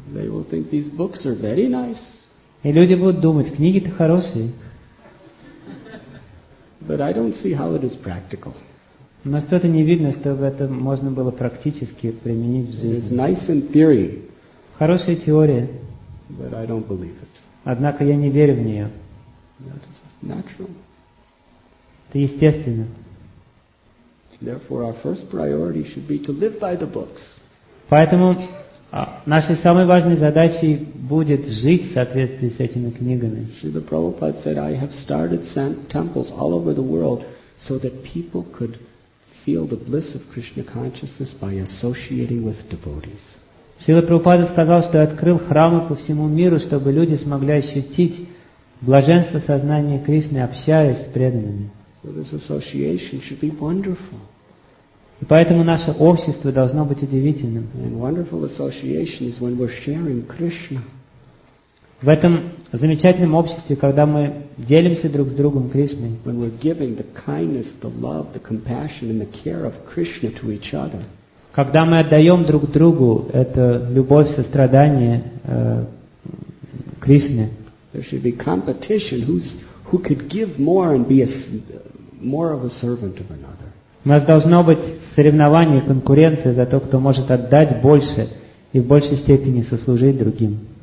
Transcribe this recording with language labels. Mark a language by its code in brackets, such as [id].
[en] They will think these books are very nice. [ru] И люди будут думать, книги-то хорошие. [en] But I don't see how it is practical. [ru] Но что-то не видно, чтобы это можно было практически применить в жизни. [en] It is nice in theory. [ru] Хорошая теория. [en] But I don't believe it. [ru] Однако я не верю в нее. [en] That is natural. [ru] Это естественно. [en] Therefore, our first priority should be to live by the books. [ru] Поэтому нашей самой важной задачей будет жить в соответствии с этими книгами. [en] Шрила Прабхупад said, I have started temples all over the world so that people could feel the bliss of Krishna consciousness by associating with devotees. [ru] Шрила Прабхупада сказал, что открыл храмы по всему миру, чтобы люди смогли ощутить блаженство сознания Кришны, общаясь с преданными. [en] So this association should be wonderful. [ru] И поэтому наше общество должно быть удивительным. [en] And wonderful association is when we're sharing Krishna. [ru] В этом замечательном обществе, когда мы делимся друг с другом Кришной, [en] when we're giving the kindness, the love, the compassion and the care of Krishna to each other, [ru] когда мы отдаем друг другу эту любовь, сострадание Кришне, [en] there should be competition who could give more and be more of a servant of another. [ru] У нас должно быть соревнование, конкуренция за то, кто может отдать больше и в большей степени сослужить другим.